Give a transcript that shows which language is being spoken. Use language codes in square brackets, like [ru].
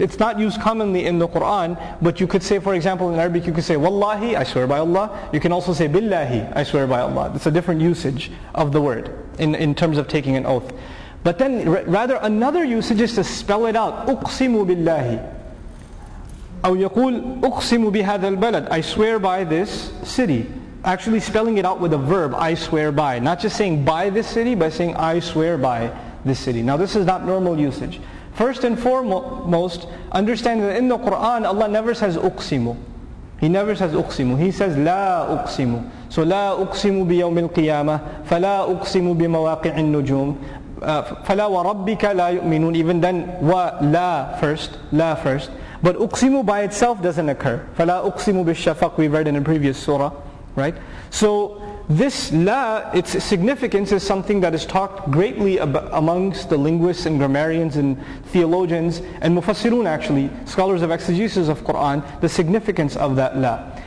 [en] It's not used commonly in the Quran, but you could say, for example, in Arabic, you could say wallahi, I swear by Allah. You can also say billahi, I swear by Allah. It's a different usage of the word in terms of taking an oath. But then rather another usage is to spell it out, uqsimu billahi. [ar] أو يقول أقسم بهذا البلد, [en] I swear by this city. Actually spelling it out with a verb, I swear by. Not just saying by this city, but saying I swear by this city. Now this is not normal usage. First and foremost, understand that in the Quran, Allah never says أقسم. He never says أقسم. He says [ar] لا أقسم. [en] So [ar] لا أقسم بيوم القيامة, فلا أقسم بمواقع النجوم, فَلَا وَرَبِّكَ لَا يُؤْمِنُونَ. [en] Even then, وَلَا first, لَا first. But أُقْسِمُ by itself doesn't occur. [ar] فَلَا أُقْسِمُ بِالشَّفَقِ, [en] we've read in a previous surah, right? So this لَا, its significance is something that is talked greatly amongst the linguists and grammarians and theologians and mufassirun actually, scholars of exegesis of Qur'an, the significance of that لَا.